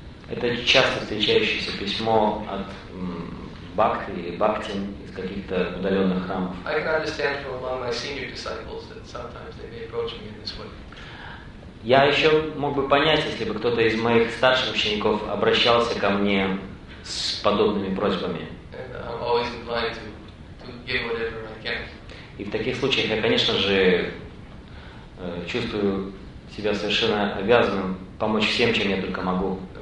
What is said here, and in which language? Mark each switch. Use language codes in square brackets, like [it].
[ru] Это часто встречающееся письмо от бхакты или бхактин из каких-то удаленных храмов. [en] I can understand from among my senior disciples that sometimes they may approach me in this way. [ru] Я еще мог бы понять, если бы кто-то из моих старших учеников обращался ко мне с подобными просьбами. [en] And I'm always inclined to give whatever I can. [ru] И в таких случаях я, конечно же, чувствую себя совершенно обязанным помочь всем, чем я только могу.